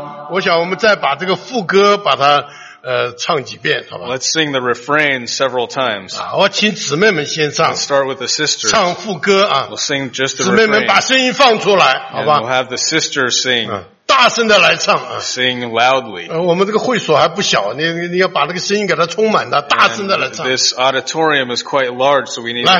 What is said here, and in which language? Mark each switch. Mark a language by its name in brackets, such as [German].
[Chinese] 我想我们再把这个副歌把它唱几遍好吧 [English] Let's sing the refrain several times. [Chinese] 我请姊妹们先唱。 [English] Let's start with the sisters. [Chinese] 唱副歌啊。 [English] We'll sing just the [Chinese] 姊妹们把声音放出来好吧。 [English] And we'll have the sisters sing. [Chinese] 大声的来唱啊。 [English] Sing loudly. [Chinese] 我们这个会所还不小你要把这个声音给它充满的大声的来唱。 [English] And this auditorium is quite large, so we need to fill